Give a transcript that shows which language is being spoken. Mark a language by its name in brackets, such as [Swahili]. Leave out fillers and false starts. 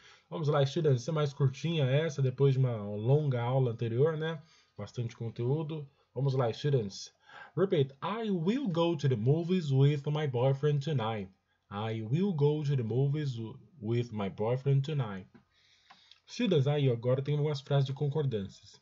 [Portuguese] Vamos lá, students, essa é mais curtinha essa, depois de uma longa aula anterior, né? Bastante conteúdo. Vamos lá, students. [English] Repeat, I will go to the movies with my boyfriend tonight. I will go to the movies with my boyfriend tonight. [Portuguese] Students, aí agora tem algumas frases de concordâncias.